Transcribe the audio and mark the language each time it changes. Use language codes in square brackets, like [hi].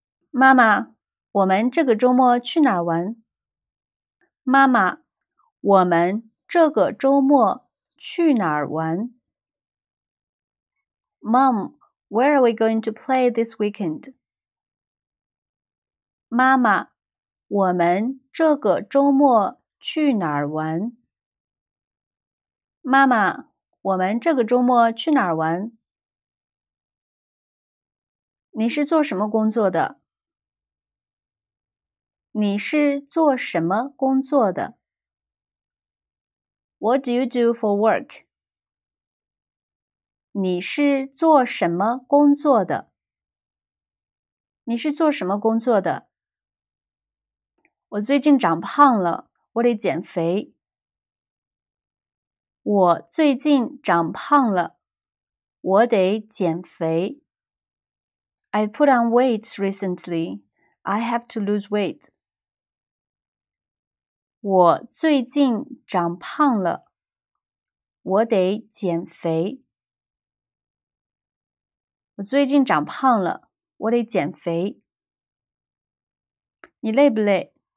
[zh] 妈妈，我们这个周末去哪儿玩？妈妈，我们这个周末去哪儿玩？ [en] Mom, where are we going to play this weekend? [zh] 妈妈，我们这个周末去哪儿玩？妈妈，我们这个周末去哪儿玩？你是做什么工作的？你是做什么工作的？ [en] What do you do for work? [zh] 你是做什么工作的？你是做什么工作的？我最近长胖了，我得减肥。我最近长胖了，我得减肥。 [en] I put on weight recently. I have to lose weight. [zh] 我最近长胖了，我得减肥。我最近长胖了，我得减肥。你累不累？